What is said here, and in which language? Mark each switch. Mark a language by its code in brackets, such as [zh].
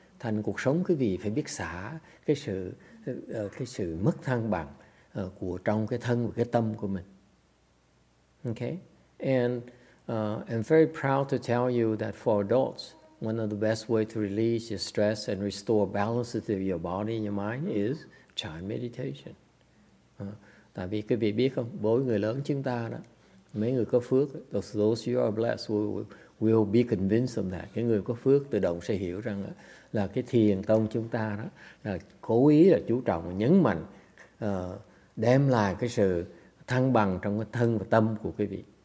[vi] Thành cuộc sống quý vị phải biết xả cái sự mất thăng bằng của trong cái thân và cái tâm của mình. [en] Okay, and I'm very proud to tell you that for adults, one of the best way to release your stress and restore balance to your body and your mind is chant meditation. [vi] Tại vì quý vị biết không, với người lớn chúng ta đó, mấy người có phước, [en] those you are blessed will be convinced of that. [vi] Cái người có phước tự động sẽ hiểu rằng là cái thiền tông chúng ta đó là cố ý là chú trọng nhấn mạnh đem lại cái sự thăng bằng trong cái thân và tâm của quý vị.